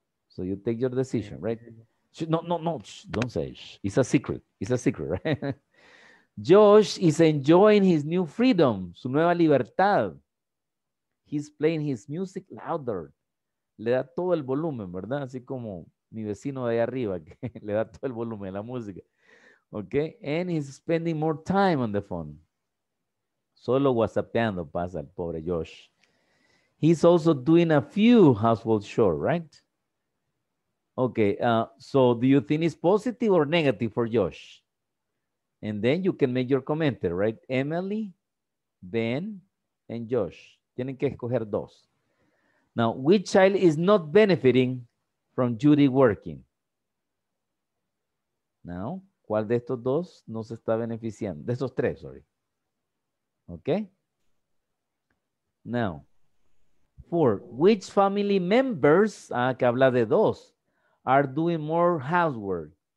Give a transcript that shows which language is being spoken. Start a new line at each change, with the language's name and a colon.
English: So you take your decision, right? No, don't say it. It's a secret. It's a secret, right? Josh is enjoying his new freedom,
Spanish: su nueva libertad.
English: He's playing his music louder.
Spanish: Le da todo el volumen, ¿verdad? Así como mi vecino de ahí arriba, que le da todo el volumen a la música.
English: Okay? And he's spending more time on the phone.
Spanish: Solo whatsappeando pasa el pobre Josh.
English: He's also doing a few household chores, right? Okay, so do you think it's positive or negative for Josh? And then you can make your comment, right? Emily, Ben, and Josh.
Spanish: Tienen que escoger dos.
English: Now, which child is not benefiting from Judy working?
Spanish: Now, ¿cuál de estos dos no se está beneficiando? De estos tres,
English: sorry. Okay? Now, four. Which family members,
Spanish: que habla de dos,
English: are doing more housework?